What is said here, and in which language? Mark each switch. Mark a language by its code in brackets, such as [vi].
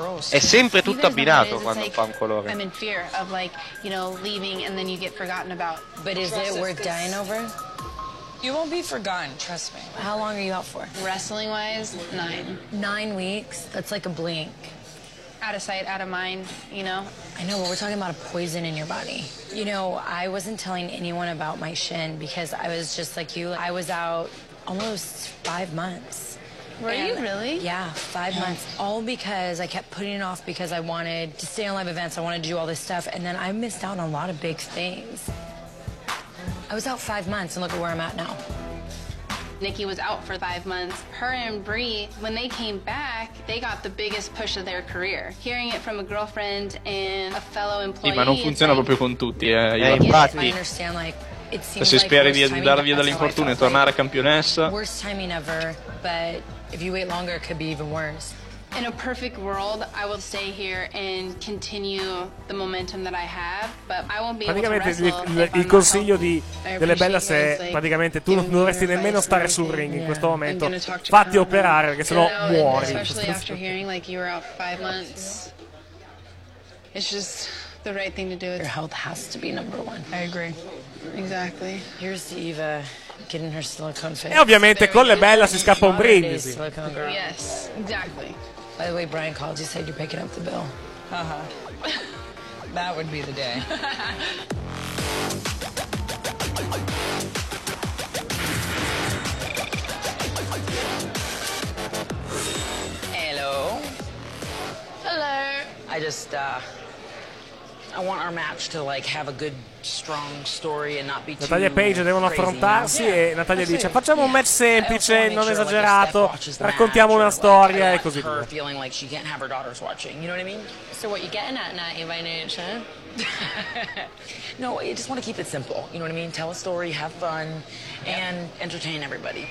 [it] È sempre tutto abbinato quando fa un colore. [en] I'm in fear of like, you know, leaving and then you get forgotten about. But is it worth dying over? You won't be forgotten, trust me. How long are you out for? Wrestling-wise, 9. 9 weeks? That's like a blink. Out of sight, out of mind, you know? I know, but we're talking about a poison in your body. You know, I wasn't telling anyone about my shin because I was just like you. I was out almost 5 months. Were you really? Yeah, 5 months. All because I kept putting it off because I wanted to stay on live events. I wanted to do all this stuff. And then I missed out on a lot of big things. I was out 5 months and look at where I'm at now. Nikki was out for 5 months. Her and Brie, when they came back, they got the biggest push of their career. Hearing it from a girlfriend and a fellow employee. [it] Sì, ma non funziona like, proprio con tutti, infatti. Se like speri di andare via dall'infortunio e tornare campionessa. [en] Worst timing ever, but if you wait longer, it could be even worse. In a perfect world, I will stay here and continue the momentum that I have, but I won't be [it] praticamente [en] able to wrestle [it] il consiglio di delle Bella se like, praticamente tu non dovresti nemmeno stare sul ring in questo momento. Fatti operare perché sennò muori. [en] Especially after hearing like you were out 5 months. It's just the right thing to do. Your health has to be number one. I agree. Exactly. Here's Eva getting her silicone face. [it] E ovviamente con le Bella si scappa un brindisi. [en] Yes, exactly. By the way, Brian called. You said you're picking up the bill. That would be the day. Hello. I just, I want our match to like have a good strong story and not be too [it] Natalia e Paige devono affrontarsi e Natalia dice facciamo un match semplice, non esagerato, raccontiamo una storia e così via. [en] Feeling like she can't have her daughters watching, you know what I mean? So what you getting at, Natty, by nature? No, I just want to keep it simple, you know what I mean? Tell a story, have fun and entertain everybody.